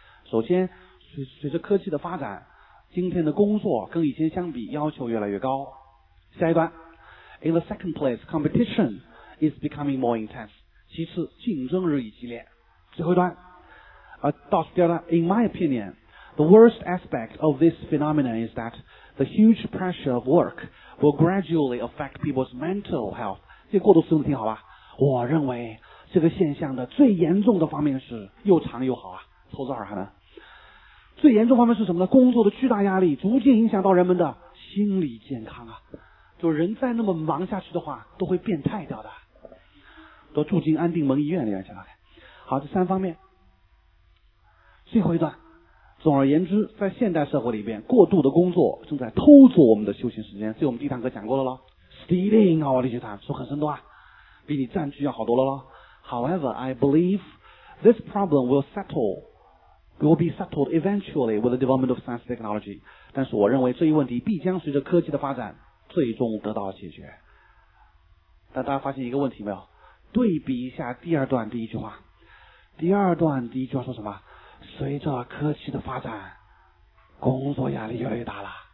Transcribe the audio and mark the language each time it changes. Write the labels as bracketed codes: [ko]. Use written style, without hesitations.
[zh] 首先，随着科技的发展，今天的工作跟以前相比要求越来越高。 [en] 下一段，In the second place, competition is becoming more intense. [zh] 其次，竞争日益激烈。最后一段，倒数第二段 ， In my opinion. [en] The worst aspect of this phenomenon is that the huge pressure of work will gradually affect people's mental health. [zh] 这个过渡词用的挺好吧？我认为这个现象的最严重的方面是又长又好啊，凑字儿还能。最严重方面是什么呢？工作的巨大压力逐渐影响到人们的心理健康啊！就人再那么忙下去的话，都会变态掉的，都住进安定门医院里面去了。好，这三方面，最后一段。总而言之，在现代社会里边，过度的工作正在偷走我们的休闲时间，这我们第一堂课讲过了咯。 Stealing our leisure time 说很生动啊，比你占据要好多了咯。 [en] However, I believe this problem will be settled eventually with the development of science technology. [zh] 但是我认为这一问题必将随着科技的发展最终得到解决。但大家发现一个问题没有？对比一下第二段第一句话，第二段第一句话说什么？随着科技的发展，工作压力越来越大了。